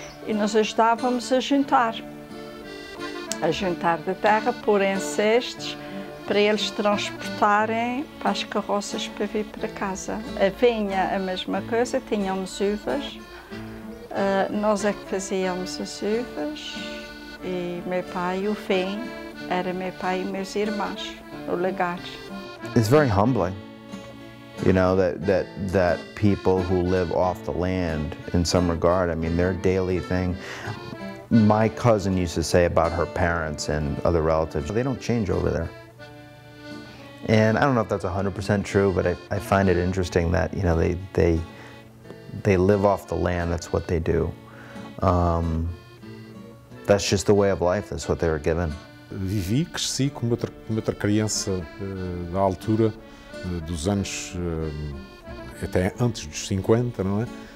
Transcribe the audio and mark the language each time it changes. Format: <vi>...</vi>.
<pt>E nós ajudávamos a juntar da terra, pôr em cestos, para eles transportarem para as carroças para vir para casa. A vinha, a mesma coisa, tínhamos uvas, nós é que fazíamos as uvas, e meu pai, o vinho, era meu pai e meus irmãos, o lagar.</pt> <en>It's very humbling. You know, that people who live off the land, in some regard, I mean, their daily thing. My cousin used to say about her parents and other relatives, they don't change over there. And I don't know if that's 100% true, but I find it interesting that, you know, they live off the land, that's what they do. That's just the way of life, that's what they were given.</en> <pt>Vivi, cresci com outra criança da altura, dos anos até antes dos 50, não é?</pt>